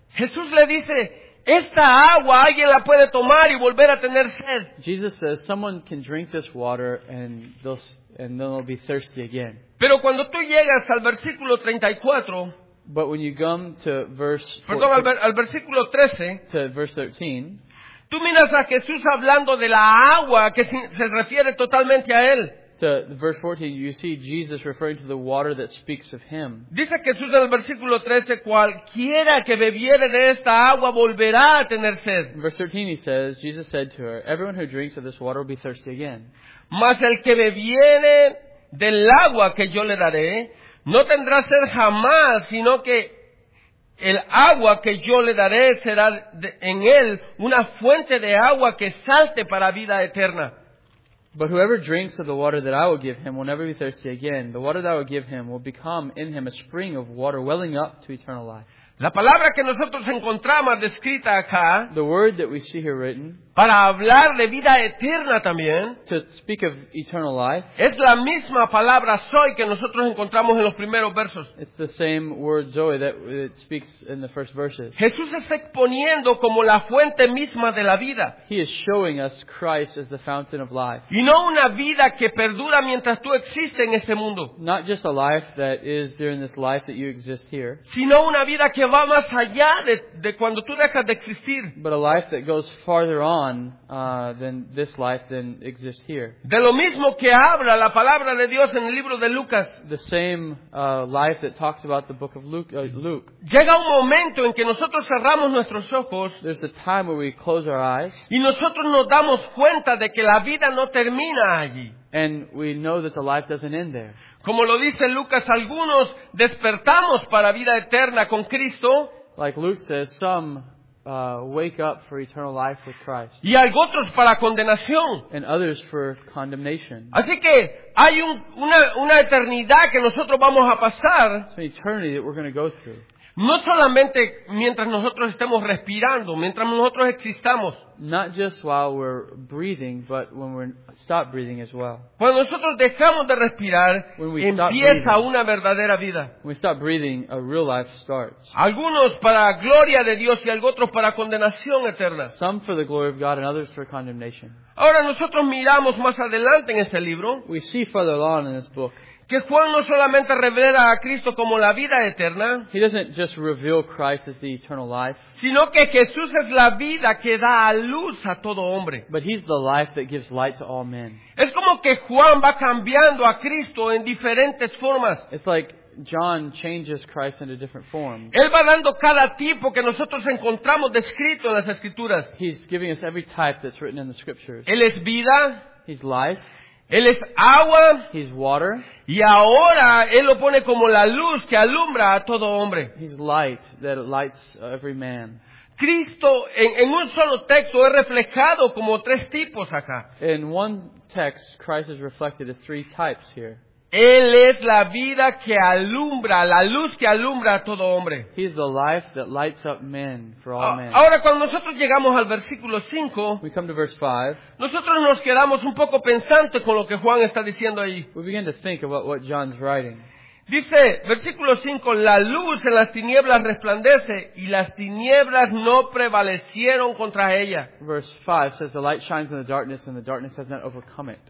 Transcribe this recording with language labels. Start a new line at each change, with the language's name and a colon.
Spanish: Jesús le dice, esta agua alguien la puede tomar y volver a tener sed.
English: Jesus says, someone can drink this water and they'll be thirsty again.
Spanish: Pero cuando tú llegas al versículo 34,
English: but when you come to verse,
Spanish: perdón, 4, al versículo 13,
English: to verse 13.
Spanish: Tú miras a Jesús hablando de la agua que se refiere totalmente a él.
English: So, verse 14, you see Jesus referring to the water that speaks of him.
Spanish: Dice Jesús en el versículo 13, cualquiera que bebiere de esta agua volverá a tener sed.
English: In verse 13, he says, Jesus said to her, everyone who drinks of this water will be thirsty again.
Spanish: Mas el que bebiere del agua que yo le daré, no tendrá sed jamás, sino que el agua que yo le daré será en él una fuente de agua que salte para vida eterna.
English: But whoever drinks of the water that I will give him will never be thirsty again. The water that I will give him will become in him a spring of water welling up to eternal life.
Spanish: La palabra que nosotros encontramos descrita acá,
English: the word that we see here written,
Spanish: para hablar de vida eterna también,
English: to speak of eternal life,
Spanish: es la misma palabra Zoe que nosotros encontramos en los primeros versos.
English: It's the same word Zoe that it speaks in the first verses.
Spanish: Jesús está exponiendo como la fuente misma de la vida.
English: He is showing us Christ as the fountain of life.
Spanish: Y no una vida que perdura mientras tú existes en este mundo.
English: Not just a life that is during this life that you exist here.
Spanish: Sino una vida que va más allá de cuando tú dejas de existir.
English: But a life that goes farther on than this life than exists here.
Spanish: De lo mismo que habla la palabra de Dios en el libro de Lucas.
English: The same life that talks about the book of Luke.
Spanish: Llega un momento en que nosotros cerramos nuestros ojos.
English: There's a time where we close our eyes.
Spanish: Y nosotros nos damos cuenta de que la vida no termina allí.
English: And we know that the life doesn't end there.
Spanish: Como lo dice Lucas, algunos despertamos para vida eterna con Cristo.
English: Like Luke says, some wake up for eternal life with Christ.
Spanish: Y hay otros para condenación.
English: And others for condemnation.
Spanish: Así que hay una eternidad que nosotros vamos a pasar.
English: It's an eternity that we're going to go through.
Spanish: No solamente mientras nosotros estemos respirando, mientras nosotros existamos.
English: Not just while we're breathing, but when we stop breathing as well.
Spanish: Cuando nosotros dejamos de respirar, empieza una verdadera vida.
English: When we stop breathing, a real life starts.
Spanish: Algunos para gloria de Dios y otros para condenación eterna.
English: Some for the glory of God and others for condemnation.
Spanish: Ahora nosotros miramos más adelante en este libro.
English: We see further on in this book.
Spanish: Que Juan no solamente revela a Cristo como la vida eterna,
English: he doesn't just reveal Christ as the eternal life,
Spanish: sino que Jesús es la vida que da a luz a todo hombre.
English: But he's the life that gives light to all men.
Spanish: Es como que Juan va cambiando a Cristo en diferentes formas.
English: It's like John changes Christ into different forms.
Spanish: Él va dando cada tipo que nosotros encontramos descrito en las Escrituras.
English: He's giving us every type that's written in the Scriptures.
Spanish: Él es vida.
English: He's life.
Spanish: Él es agua.
English: He's water.
Spanish: Y ahora Él lo pone como la luz que alumbra a todo hombre.
English: He's light that lights every man.
Spanish: Cristo en un solo texto es reflejado como tres tipos acá.
English: In one text, Christ is reflected as three types here.
Spanish: Él es la vida que alumbra, la luz que alumbra a todo hombre.
English: He's the life that lights up men for all men.
Spanish: Ahora, cuando nosotros llegamos al versículo 5,
English: we come to verse 5,
Spanish: nosotros nos quedamos un poco pensantes con lo que Juan está diciendo ahí.
English: We begin to think about what John's writing.
Spanish: Dice, versículo 5, la luz en las tinieblas resplandece y las tinieblas no prevalecieron contra ella.
English: Verse 5 says, the light shines in the darkness and the darkness has not overcome it.